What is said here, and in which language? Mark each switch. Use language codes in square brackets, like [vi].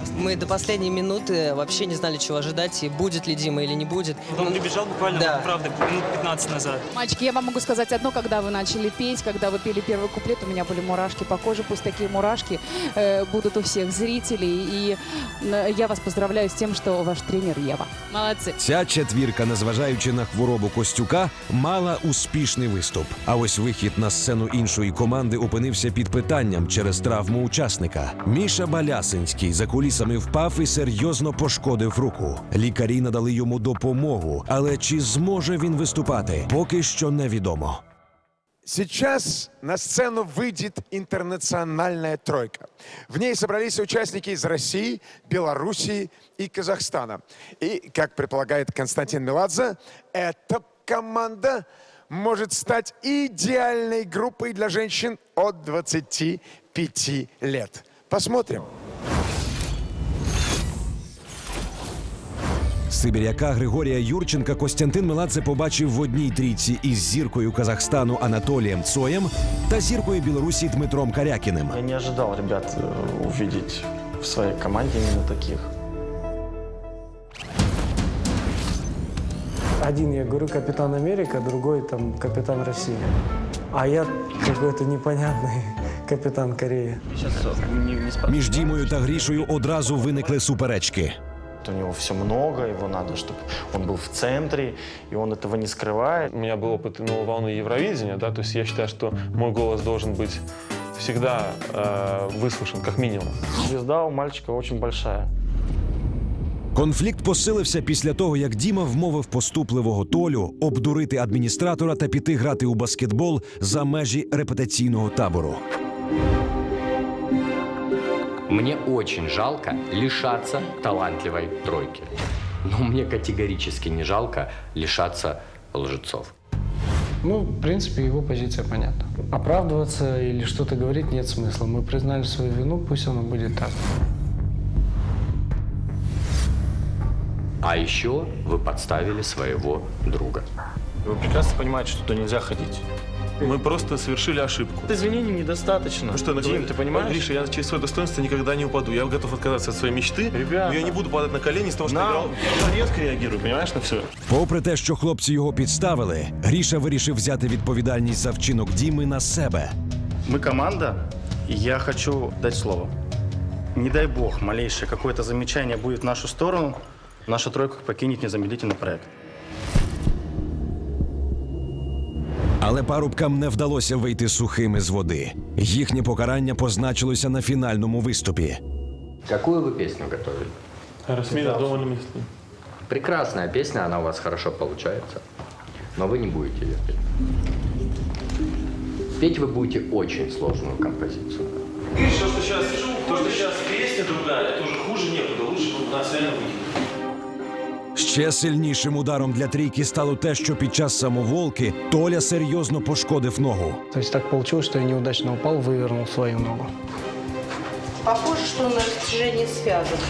[ru] Мы до последней минуты вообще не знали, чего ожидать, и будет ли Дима или не будет. Он прибежал буквально, да. Правда, минут 15 назад. Мальчики, я вам могу сказать одно, когда вы начали петь, когда вы пели первый куплет, у меня были мурашки по коже, пусть такие мурашки будут у всех зрителей. И я вас поздравляю с тем, что ваш тренер Ева. Молодцы. [uk] Ця четвірка, незважаючи на хворобу Костюка, мала успіх. Успішний виступ. А ось вихід на сцену іншої команди опинився під питанням через травму учасника. Міша Балясинський за кулісами впав і серйозно пошкодив руку. Лікарі надали йому допомогу, але чи зможе він виступати, поки що невідомо. [ru] Сейчас на сцену выйдет интернациональная тройка. В ней собрались участники из России, Белоруссии и Казахстана. И, как предполагает Константин Меладзе, эта команда может стать идеальной группой для женщин от 25 лет. Посмотрим. [uk] Сибиряка Григория Юрченка Костянтин Меладзе побачив в одній трійці із зіркою Казахстану Анатолием Цоєм та зіркою Білорусі Дмитром Карякіним. [ru] Я не ожидал, ребят, увидеть в своей команде именно таких. Один, я говорю, капитан Америка, другой там капитан России. А я какой-то непонятный капитан Кореи. [uk] Між Дімою та Грішою одразу виникли суперечки. [ru] У него все много, его надо, чтобы он был в центре, и он этого не скрывает. У меня был опыт волны Евровидения, да, то есть я считаю, что мой голос должен быть всегда выслушан, как минимум. Звезда у мальчика очень большая. [uk] Конфлікт посилився після того, як Діма вмовив поступливого Толю обдурити адміністратора та піти грати у баскетбол за межі репетиційного табору. Мені дуже жалко лишатися талантливої тройки. Ну, мені категорично не жалко лишатися лжецов. Ну, в принципі, його позиція понятна. Оправдуватися або щось говорити – немає сенсу. Ми признали свою вину, пусть воно буде так. [ru] А еще вы подставили своего друга. Вы прекрасно понимаете, что туда нельзя ходить. Мы просто совершили ошибку. Извинений недостаточно. Ну что, Дим, ты понимаешь? Гриша, я через свое достоинство никогда не упаду. Я готов отказаться от своей мечты. Ребята. Но я не буду падать на колени с того, что играл. Я резко реагирую, понимаешь, на все. [uk] Попри те, [ru] что хлопцы его подставили, Гриша решил взять ответственность за вчинок Димы на себе. Мы команда, и я хочу дать слово. Не дай бог, малейшее какое-то замечание будет в нашу сторону, наша тройка покинет незамедлительно проект. [uk] Але парубкам не вдалося вийти сухими з води. Їхнє покарання позначилося на фінальному виступі. [ru] Какую вы песню готовили? Расмина, дома на месте. Прекрасная песня, она у вас хорошо получается. Но вы не будете ее петь. Петь вы будете очень сложную композицию. То, что сейчас, вижу, то, что сейчас песня другая, это уже хуже некуда. Лучше бы у нас реально выйти. [uk] Ще сильнішим ударом для трійки стало те, що під час самоволки Толя серйозно пошкодив ногу. Тобто так вийшло, що я неудачно впав, вивернув свою ногу. Похоже, що на розтяжені зв'язок.